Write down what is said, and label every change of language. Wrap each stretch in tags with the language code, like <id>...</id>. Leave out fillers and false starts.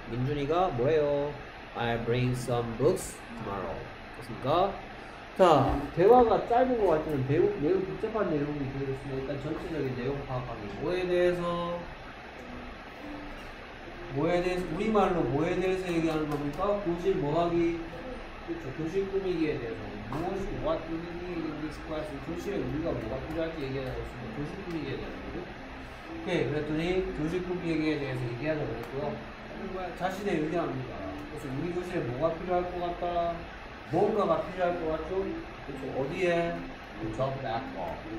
<ko>민준이가 뭐래요?</ko> <en>I'll bring some books tomorrow.</en> <ko>그렇습니까? 자, 대화가 짧은 것 같지만 매우 복잡한 내용이 들어있습니다. 일단 전체적인 내용 파악하기. 뭐에 대해서, 우리말로 뭐에 대해서 얘기하는 겁니까? 교실 뭐 하기? 그렇죠. 교실 꾸미기에 대해서. 무엇이,</ko> <en>what do we need in this class?</en> <ko>교실에 우리가 뭐가 필요할지 얘기하는 것입니다. 교실 꾸미기에 대한 거죠. 오케이. 그랬더니 교실 꾸미기에 대해서 얘기하자고 했고요. 자신의 의견입니다. 그래서 우리 교실에 뭐가 필요할 것 같다? 뭔가가 필요할 것 같죠? 그렇죠. 어디에? 저</ko> <en>back wall.</en>